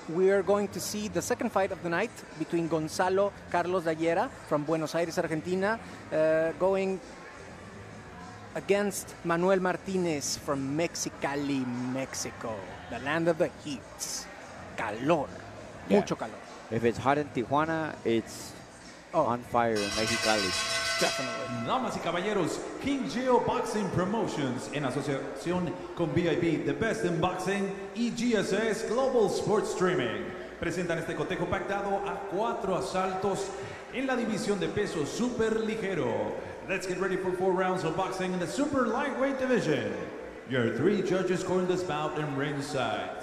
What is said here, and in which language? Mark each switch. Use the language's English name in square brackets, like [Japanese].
[English] We are going to see the second fight of the night between Gonzalo Carlos Dallera from Buenos Aires, Argentina, going against Manuel Martinez from Mexicali, Mexico, the land of the heat. [Spanish] Calor. Yeah. Mucho calor. [English] If it's hot in Tijuana, it's on fire in Mexicali. Definitely. [Spanish] Damas y caballeros, King Geo Boxing Promotions en asociación con VIP, [English] the best in boxing, [Spanish] y GSS Global Sports Streaming presentan este cotejo pactado a cuatro asaltos en la división de peso super ligero. [English] Let's get ready for four rounds of boxing in the super lightweight division. Your three judges scoring this bout in ringside.